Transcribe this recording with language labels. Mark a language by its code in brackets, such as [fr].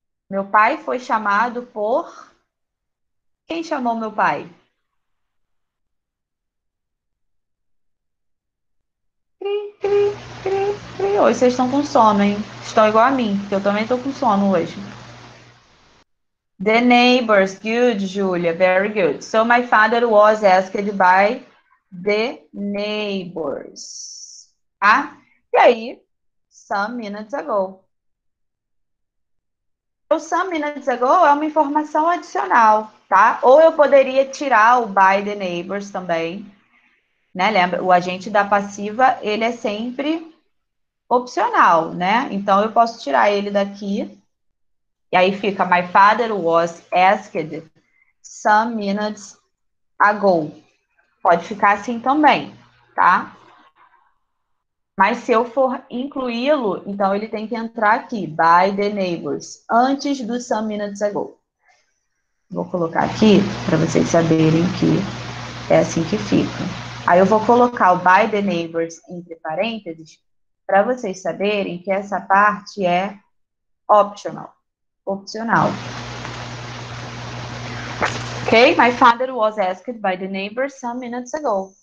[pt] Meu pai foi chamado por. Quem chamou meu pai? Hoje vocês estão com sono, hein? Estão igual a mim, porque eu também estou com sono hoje. [en] The neighbors. Good, Julia. Very good. So my father was asked by the neighbors. [pt] Tá? E aí, [en] some minutes ago. [pt] O some minutes ago é uma informação adicional, tá? Ou eu poderia tirar o [en] by the neighbors [pt] também, né? Lembra, o agente da passiva, ele é sempre opcional, né? Então eu posso tirar ele daqui. E aí fica: [en] My father was asked some minutes ago. [pt] Pode ficar assim também, tá? Mas se eu for incluí-lo, então ele tem que entrar aqui: [en] By the neighbors, [pt] antes do some minutes ago. Vou colocar aqui para vocês saberem que é assim que fica. Aí eu vou colocar o by the neighbors entre parênteses. Para vocês saberem que essa parte é optional. Opcional. Ok? [en] My father was asked by the neighbor some minutes ago.